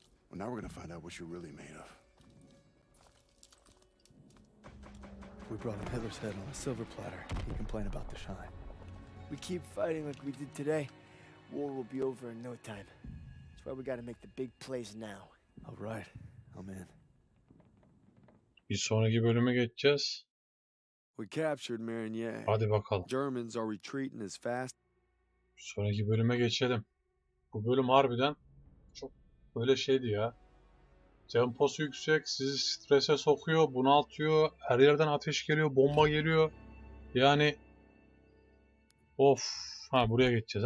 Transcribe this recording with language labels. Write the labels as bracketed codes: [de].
[en] Well, now we're gonna find out what you're really made of. We brought him Hitler's head on a silver platter. He complained about the shine. We keep fighting like we did today, war will be over in no time. That's why we gotta make the big plays now. All right. I'm in. [tr] Bir sonraki bölüme geçeceğiz. [en] We captured Marigny. [tr] Hadi bakalım. [en] Germans are retreating as fast. [tr] Sonraki bölüme geçelim. Bu bölüm harbiden çok böyle şeydi ya. Temposu yüksek, sizi strese sokuyor, bunaltıyor, her yerden ateş geliyor, bomba geliyor. Yani of, ha buraya geçeceğiz.